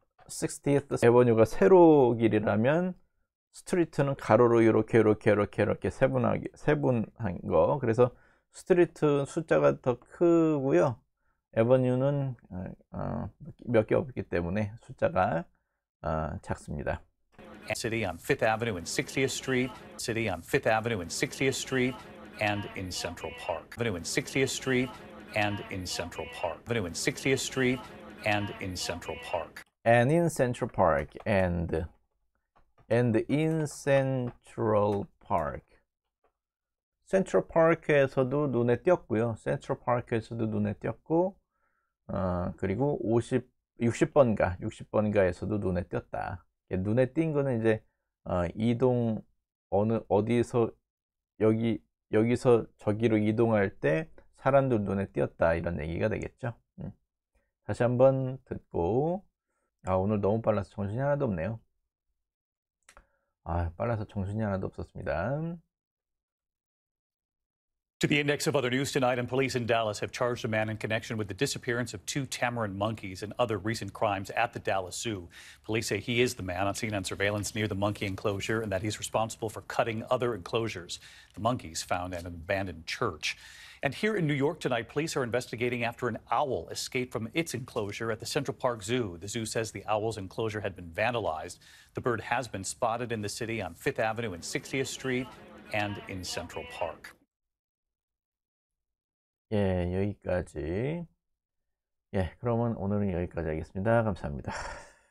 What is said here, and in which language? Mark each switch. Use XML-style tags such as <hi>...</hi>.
<ko>60th Avenue가 세로 길이라면 스트리트는 가로로 이렇게 이렇게 이렇게 이렇게 세분하게 세분한 거. 그래서 스트리트 숫자가 더 크고요. 에버뉴는 몇 개 없기 때문에 숫자가 작습니다.</ko> <en>City on Fifth Avenue and 60th Street. City on Fifth Avenue and 60th Street and in Central Park. Avenue and 60th Street and in Central Park. Avenue and 60th Street and in Central Park. And in Central Park and in Central Park.</en> <ko>Central Park에서도 눈에 띄었고요. Central Park에서도 눈에 띄었고 그리고 60번가에서도 눈에 띄었다. 눈에 띈 거는 이제 이동 어디서 여기서 저기로 이동할 때 사람들 눈에 띄었다 이런 얘기가 되겠죠. 다시 한번 듣고 오늘 너무 빨라서 정신이 하나도 없네요. 빨라서 정신이 하나도 없었습니다.</ko> <en>To the index of other news tonight, and police in Dallas have charged a man in connection with the disappearance of two tamarin monkeys and other recent crimes at the Dallas Zoo. Police say he is the man on scene on surveillance near the monkey enclosure and that he's responsible for cutting other enclosures. The monkeys found at an abandoned church. And here in New York tonight, police are investigating after an owl escaped from its enclosure at the Central Park Zoo. The zoo says the owl's enclosure had been vandalized. The bird has been spotted in the city on Fifth Avenue and 60th Street and in Central Park.</en> <ko>예, 여기까지. 예, 그러면 오늘은 여기까지 하겠습니다. 감사합니다.</ko>